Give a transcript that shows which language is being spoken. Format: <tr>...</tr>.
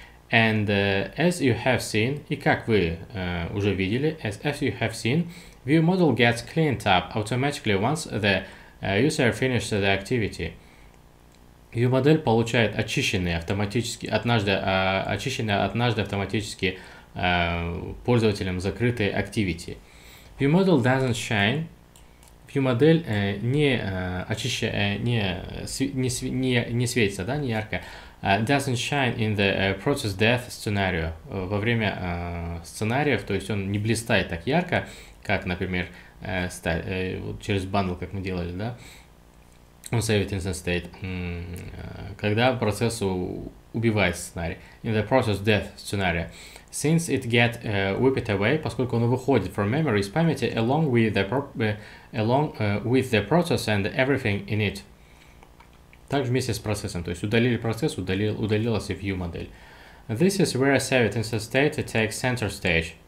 <en>And as you have seen,</en> <ru>и как вы уже видели,</ru> <en>as you have seen, ViewModel gets cleaned up automatically once the user finishes the activity.</en> <ru>ViewModel получает очищенный автоматически, однажды автоматически пользователем закрытый activity.</ru> <en>ViewModel doesn't shine.</en> <ru>ViewModel не светится, да, не ярко.</ru> <en>Doesn't shine in the process death scenario.</en> <ru>Во время сценариев, то есть он не блистает так ярко, как, например, вот через bundle, как мы делали, да,</ru> <en>on save it instance state,</en> <ru>когда процесс убивает сценарий,</ru> <en>in the process death scenario, since it get whipped away,</en> <ru>поскольку он выходит</ru> <en>from memory,</en> <ru>из памяти,</ru> <en>along with the process and everything in it.</en> <ru>Также вместе с процессом, то есть удалили процесс, удалилась и view модель.</ru> <en>This is where save it instance state takes center stage.</en>